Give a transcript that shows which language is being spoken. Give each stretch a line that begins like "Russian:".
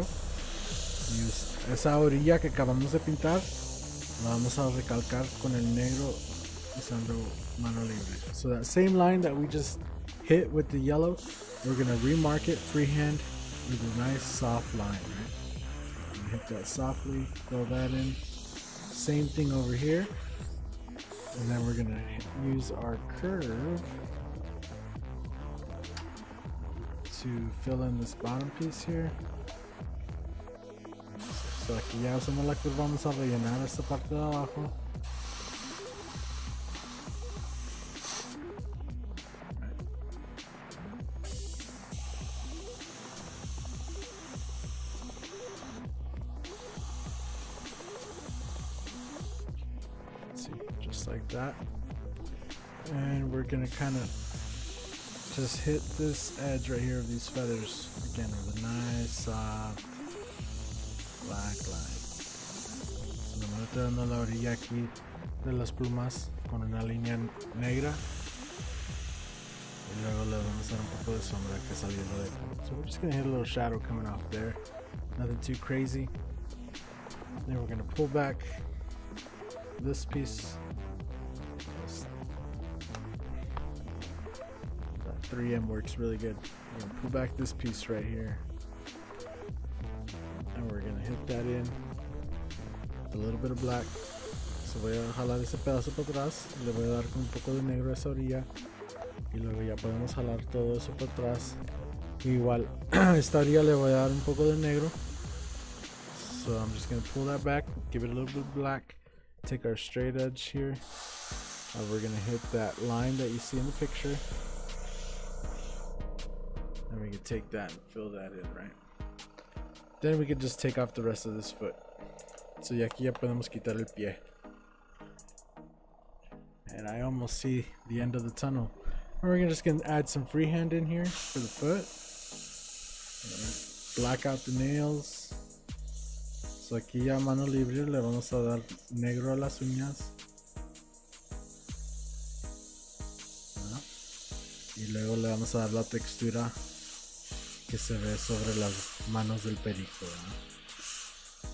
Spanish: Y esa orilla que acabamos de pintar la vamos a recalcar con el negro usando mano libre.
English: So that same line that we just hit with the yellow, we're gonna remark it freehand with a nice soft line, right? Hit that softly, fill that in. Same thing over here. And then we're gonna use our curve to fill in this bottom piece here.
Spanish: So aquí ya usamos la curva, vamos a rellenar esta parte de abajo.
English: See, just like that. And we're gonna kind of just hit this edge right here of these feathers again with a nice soft black line.
Spanish: So me voy a estar dando la orilla aquí de las plumas con una línea negra. Y luego le vamos a dar un poco de sombra que saliendo de aquí.
English: So we're just gonna hit a little shadow coming off there. Nothing too crazy. Then we're gonna pull back this piece. That 3M works really good. We're gonna pull back this piece right here. And we're gonna hit that in with a little bit of black.
Spanish: So voy a jalar ese pedazo para atrás. Le voy a dar con un poco de negro a esa orilla. Y luego ya podemos jalar todo eso para atrás. Igual, esta orilla le voy a dar un poco de negro.
English: So I'm just gonna pull that back, give it a little bit of black. Take our straight edge here. And we're gonna hit that line that you see in the picture. We can take that and fill that in, right? Then we can just take off the rest of this foot.
Spanish: So y aquí ya podemos quitar el pie.
English: And I almost see the end of the tunnel. And we're just gonna add some freehand in here for the foot. Black out the nails.
Spanish: So aquí ya mano libre le vamos a dar negro a las uñas. Y luego le vamos a dar la textura que se ve sobre las manos del perico, ¿no?